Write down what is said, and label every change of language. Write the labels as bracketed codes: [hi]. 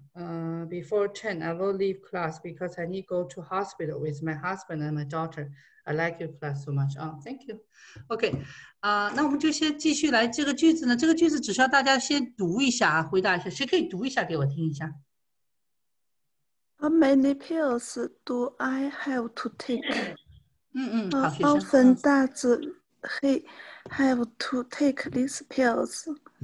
[en] Before 10, I will leave class because I need to go to hospital with my husband and my daughter. I like your class so much. Oh, thank you. [zh] Okay, 那我们就先继续来这个句子呢。这个句子只需要大家先读一下，回答一下。谁可以读一下给我听一下 [en] ？How many pills do I have to take? [zh] 嗯嗯，好，学生。 [en] How often does he have to take these pills?